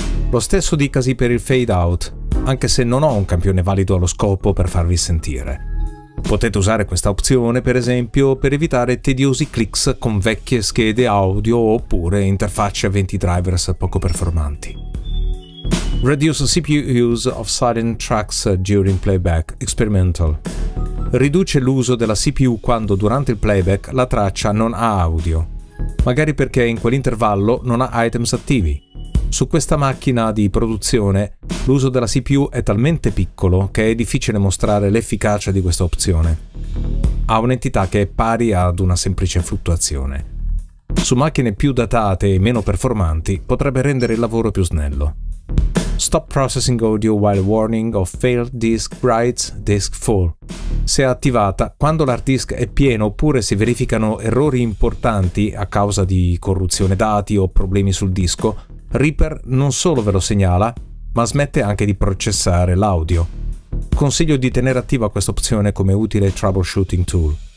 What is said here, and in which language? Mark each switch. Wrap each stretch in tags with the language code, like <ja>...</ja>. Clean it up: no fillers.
<it>Lo stesso dicasi per il fade out, anche se non ho un campione valido allo scopo per farvi sentire. Potete usare questa opzione, per esempio, per evitare tediosi clicks con vecchie schede audio oppure interfacce a 20 drivers poco performanti.</it> <en>Reduce CPU use of silent tracks during playback, experimental.</en> <it>Riduce l'uso della CPU quando durante il playback la traccia non ha audio. Magari perché in quell'intervallo non ha items attivi. Su questa macchina di produzione, l'uso della CPU è talmente piccolo che è difficile mostrare l'efficacia di questa opzione. Ha un'entità che è pari ad una semplice fluttuazione. Su macchine più datate e meno performanti, potrebbe rendere il lavoro più snello.</it> <en>Stop processing audio while warning of failed disk writes, disk full.</en> <it>Se attivata, quando l'hard disk è pieno oppure si verificano errori importanti a causa di corruzione dati o problemi sul disco, Reaper non solo ve lo segnala, ma smette anche di processare l'audio. Consiglio di tenere attiva questa opzione come utile troubleshooting tool.</it>